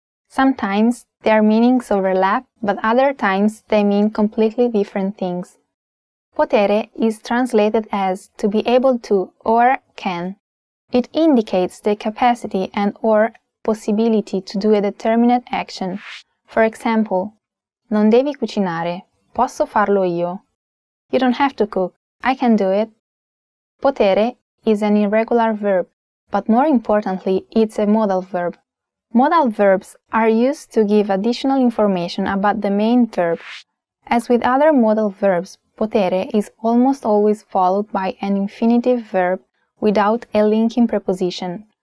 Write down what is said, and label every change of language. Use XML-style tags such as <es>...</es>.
<en>Sometimes their meanings overlap, but other times they mean completely different things. Potere is translated as to be able to or can. It indicates the capacity and or possibility to do a determinate action. For example,</en> <it>non devi cucinare, posso farlo io.</it> <en>You don't have to cook, I can do it. Potere is an irregular verb, but more importantly, it's a modal verb. Modal verbs are used to give additional information about the main verb. As with other modal verbs, potere is almost always followed by an infinitive verb without a linking preposition.</en>